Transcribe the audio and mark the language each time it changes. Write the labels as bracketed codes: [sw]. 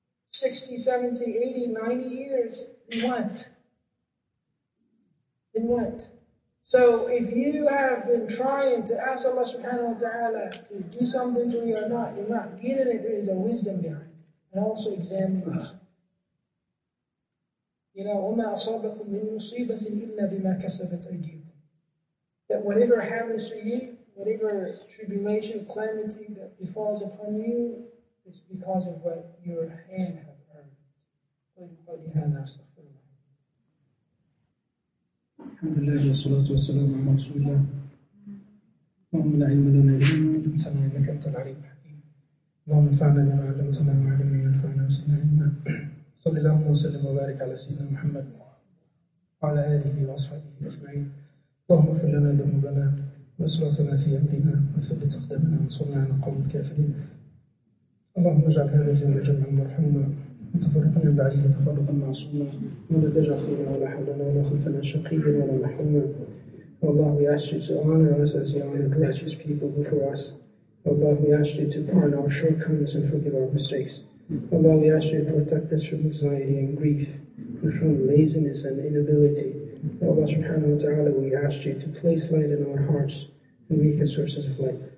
[en] 60, 70, 80, 90 years? In what? In what? So if you have been trying to ask Allah subhanahu wa ta'ala to do something for you or not, you're not getting it. There is a wisdom behind it. And also examine yourself. You know, [ar] وَمَا أَصَابَكُمْ مِنْ مُصِيبَةٍ إِلَّا بِمَا كَسَبَتْ أَيْدِيكُمْ. [en] That whatever happens to you, whatever tribulation, calamity that befalls upon you, it's because of what your hand has earned. Alhamdulillah, wa salatu wa salamu ala Rasulullah. [ar] اللهم لا علم لنا إلا ما علمتنا إنك أنت العليم الحكيم. اللهم انفعنا بما علمتنا وعلمنا ما ينفعنا وزدنا علما. صلى الله وسلم وبارك على سيدنا محمد وعلى آله وصحبه أجمعين. اللهم اغفر لنا ذنوبنا وإسرافنا في أمرنا وثبت أقدامنا وانصرنا على قوم الكافرين. اللهم اجعل هذا الجمع جمعا مرحوما وتفرقنا بعده تفرقا معصوما ولا تجعل فينا ولا حولنا ولا خلفنا شقيا ولا محروما. [en] والله we ask you to honor us as you honor righteous people before us. والله we ask you to pardon our shortcomings and forgive our mistakes. Allah, we ask you to protect us from anxiety and grief, and from laziness and inability. Allah subhanahu wa ta'ala, we ask you to place light in our hearts and make us sources of light.